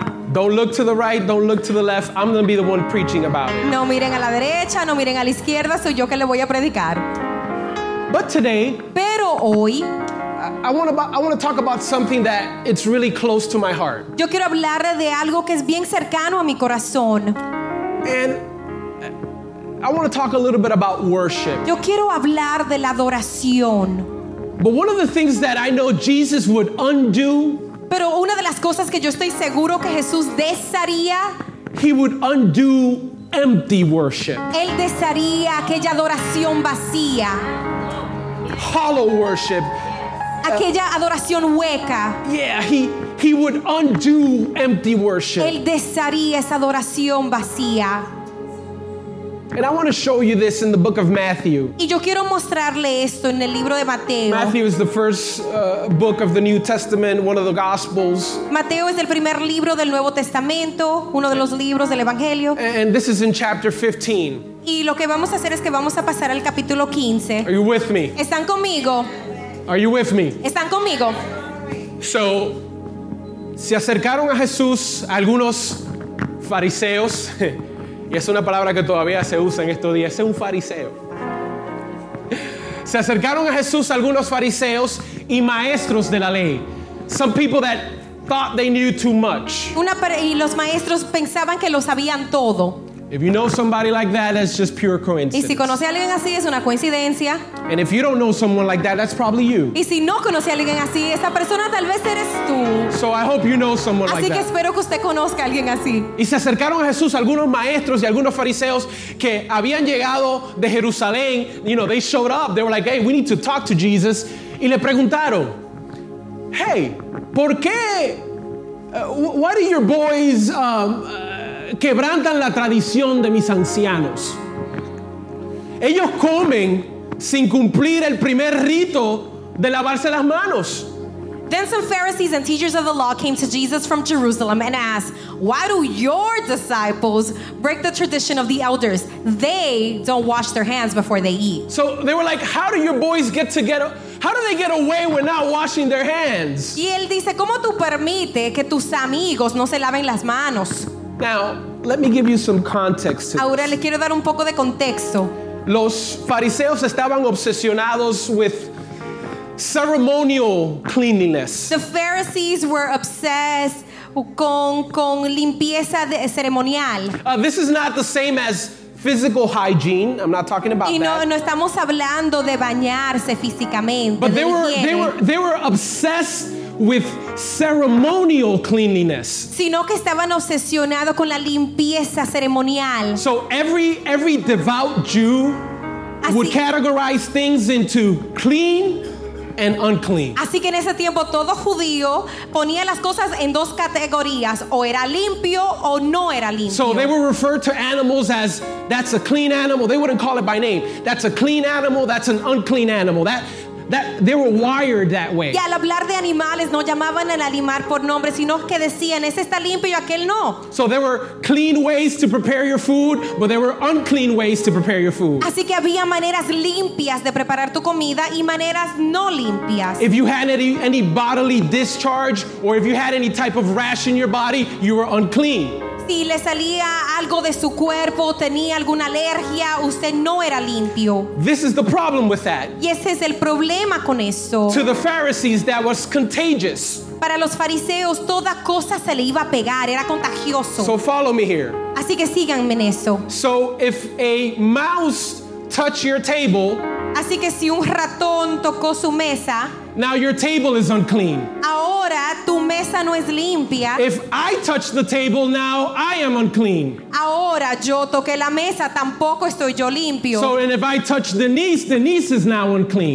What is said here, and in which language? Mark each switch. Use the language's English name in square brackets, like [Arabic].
[English] Don't look to the right, don't look to the left. I'm going to be the one preaching about it. [Spanish] No miren a la derecha, no miren a la izquierda, soy yo que le voy a predicar. [English] But today, [Spanish] pero hoy, [English] I want to talk about something that it's really close to my heart. [Spanish] Yo quiero hablar de algo que es bien cercano a mi corazón. [English] And I want to talk a little bit about worship. [Spanish] Yo quiero hablar de la adoración. [English] But one of the things that I know Jesus would undo. [Spanish] Pero una de las cosas que yo estoy seguro que Jesús desharía. [English] He would undo empty worship. [Spanish] Él desharía aquella adoración vacía. [English] Hollow worship. [Spanish] Aquella adoración hueca. [English] Yeah, he would undo empty worship. [Spanish] Él desharía esa adoración vacía. [English] And I want to show you this in the book of Matthew. [Spanish] Y yo quiero mostrarle esto en el libro de Mateo. [English] Matthew is the first book of the New Testament, one of the Gospels. [Spanish] Mateo es el primer libro del Nuevo Testamento, uno de los libros del Evangelio. [English] And this is in chapter 15. [Spanish] Y lo que vamos a hacer es que vamos a pasar al capítulo 15. [English] Are you with me? [Spanish] ¿Están conmigo? [English] Are you with me? [Spanish] ¿Están conmigo? [English] So, [Spanish] se acercaron a Jesús algunos fariseos. Y es una palabra que todavía se usa en estos días. Es un fariseo. Se acercaron a Jesús algunos fariseos y maestros de la ley. [English] Some people that thought they knew too much. [Spanish] Y los maestros pensaban que lo sabían todo. [English] If you know somebody like that, that's just pure coincidence. [Spanish] Y si conoce a alguien así, es una coincidencia. [English] And if you don't know someone like that, that's probably you. [Spanish] Y si no conoce a alguien así, esa persona tal vez eres tú. [English] So I hope you know someone [Spanish] así [English] like [Spanish] que [English] that. [Spanish] Espero que usted conozca a alguien así. Y se acercaron a Jesús algunos maestros y algunos fariseos que habían llegado de Jerusalén. [English] You know, they showed up. They were like, hey, we need to talk to Jesus. [Spanish] Y le preguntaron, hey, ¿por qué? [English] Why do your boys... [Spanish] quebrantan la tradición de mis ancianos. Ellos comen sin cumplir el primer rito de lavarse las manos. [English] Then some Pharisees and teachers of the law came to Jesus from Jerusalem and asked, why do your disciples break the tradition of the elders? They don't wash their hands before they eat. So they were like, how do your boys get together? How do they get away with not washing their hands? [Spanish] Y él dice, ¿cómo tú permite que tus amigos no se laven las manos? [English] Now, let me give you some context. [Spanish] Ahora le quiero dar un poco de contexto. Los fariseos estaban obsesionados [English] with ceremonial cleanliness. The Pharisees were obsessed [Spanish] con limpieza de, ceremonial. [English] This is not the same as physical hygiene. I'm not talking about [Spanish] y no, [English] that. [Spanish] No estamos hablando de bañarse físicamente. [English] But they were obsessed with ceremonial cleanliness, [Spanish] sino que estaban obsesionados con la limpieza ceremonial. [English] So every devout Jew así, would categorize things into clean and unclean. [Spanish] Así que en ese tiempo todo judío ponía las cosas en dos categorías, o era limpio o no era limpio. [English] So they would refer to animals as that's a clean animal. They wouldn't call it by name. That's a clean animal. That's an unclean animal. That they were wired that way. [Spanish] Y al hablar de animales no llamaban al animal por nombre, sino que decían ese está limpio y aquel no. [English] So there were clean ways to prepare your food, but there were unclean ways to prepare your food. [Spanish] Así que había maneras limpias de preparar tu comida y maneras no limpias. [English] If you had any bodily discharge or if you had any type of rash in your body, you were unclean. [Spanish] Si le salía algo de su cuerpo, tenía alguna alergia, usted no era limpio. [English] This is the problem with that. [Spanish] Y ese es el problema con eso. [English] To the Pharisees, that was contagious. [Spanish] Para los fariseos, toda cosa se le iba a pegar, era contagioso. [English] So follow me here. [Spanish] Así que síganme en eso. [English] So if a mouse touch your table, [Spanish] así que si un ratón tocó su mesa, [English] now your table is unclean. [Spanish] Ahora tu mesa no es limpia. [English] If I touch the table, now I am unclean. [Spanish] Ahora yo toqué la mesa, tampoco estoy yo limpio. [English] So and if I touch Denise, Denise is now unclean.